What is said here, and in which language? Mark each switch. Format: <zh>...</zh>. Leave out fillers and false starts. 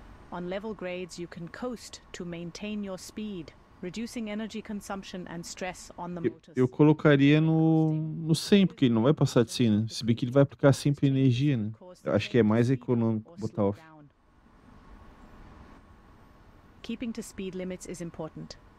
<en>On level grades, you can coast to maintain your speed, reducing energy consumption and stress on the motors.</en> <pt>Eu colocaria no 100, porque ele não vai passar de 100, né? Se bem que ele vai aplicar sempre energia, né? Eu acho que é mais econômico botar off.</pt> <en>Keeping to speed limits is important.</en>